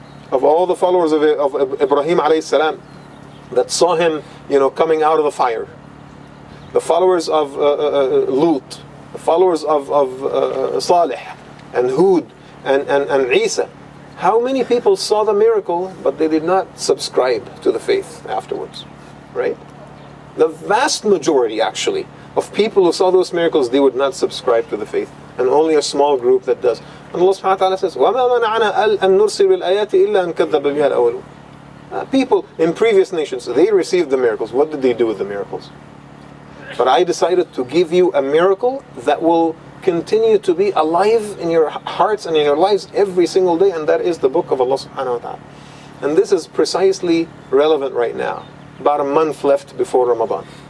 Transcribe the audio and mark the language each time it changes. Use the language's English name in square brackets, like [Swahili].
[English] Of all the followers of Ibrahim alayhi salam that saw him, you know, coming out of the fire, the followers of Lut, the followers of Salih and Hud and Isa, how many people saw the miracle but they did not subscribe to the faith afterwards? Right? The vast majority, actually, of people who saw those miracles, they would not subscribe to the faith. And only a small group that does. And Allah subhanahu wa ta'ala says, [Arabic] وَمَا مَنَعَنَا أَن نُرْسِلِ الْآيَاتِ إِلَّا أَن كَذَّبَ بِهَا الْأَوَّلُونَ. [English] People in previous nations, they received the miracles. What did they do with the miracles? But I decided to give you a miracle that will continue to be alive in your hearts and in your lives every single day, and that is the book of Allah subhanahu wa ta'ala. And this is precisely relevant right now, about a month left before Ramadan.